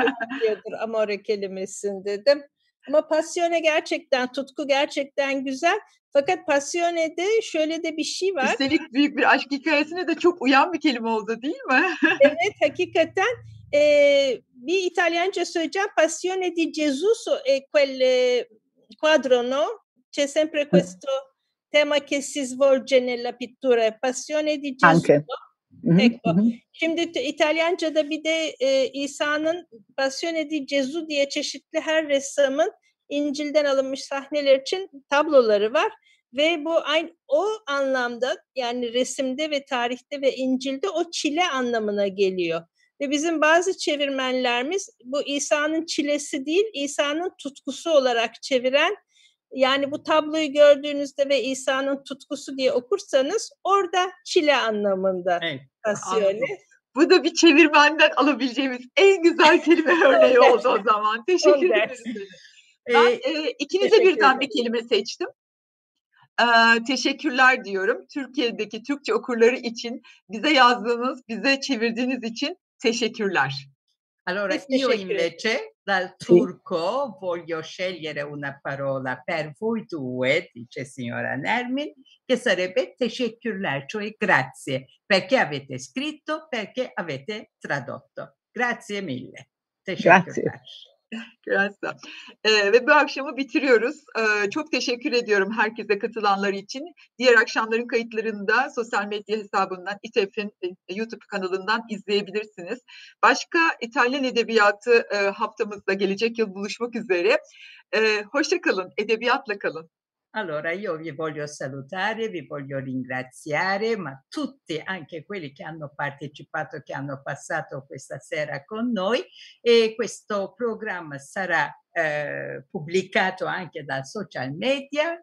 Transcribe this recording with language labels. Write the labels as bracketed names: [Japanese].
[Turkish] Biliyordur amore kelimesini dedim. Ama passione gerçekten, tutku gerçekten güzel. Fakat passione'de şöyle de bir şey var. Üstelik büyük bir aşk hikayesine de çok uyan bir kelime oldu değil mi? Evet, hakikaten. Bir İtalyanca söyleyeceğim. [Italian] Passione di Gesù quel quadro, no? C'è sempre questo tema che si svolge nella pittura. Passione di Gesù. Anche. Ecco. [Turkish] Şimdi İtalyanca'da bir de İsa'nın Passione di Gesù diye çeşitli her ressamın İncil'den alınmış sahneler için tabloları var ve bu aynı o anlamda, yani resimde ve tarihte ve İncil'de o çile anlamına geliyor. Ve bizim bazı çevirmenlerimiz bu İsa'nın çilesi değil, İsa'nın tutkusu olarak çeviren, yani bu tabloyu gördüğünüzde ve İsa'nın tutkusu diye okursanız orada çile anlamında. Evet. Bu da bir çevirmenden alabileceğimiz en güzel kelime örneği oldu o zaman. Teşekkür ederim. İkinize birden bir kelime seçtim. Teşekkürler diyorum. Türkiye'deki Türkçe okurları için bize yazdığınız, bize çevirdiğiniz için teşekkürler. [Italian] Allora, io invece dal turco voglio scegliere una parola per voi due, dice signora Nermin, che sarebbe teşekkürler, cioè grazie, perché avete scritto, perché avete tradotto. Grazie mille. [Turkish] Teşekkürler. [Italian] Grazie. [Turkish] Ve bu akşamı bitiriyoruz. Çok teşekkür ediyorum herkese katılanlar için. Diğer akşamların kayıtlarını da sosyal medya hesabından, İTEF'in YouTube kanalından izleyebilirsiniz. Başka İtalyan Edebiyatı haftamızda gelecek yıl buluşmak üzere. Hoşça kalın, edebiyatla kalın. [Italian] Allora io vi voglio salutare, vi voglio ringraziare, ma tutti, anche quelli che hanno partecipato, che hanno passato questa sera con noi, e questo programma sarà pubblicato anche da social media.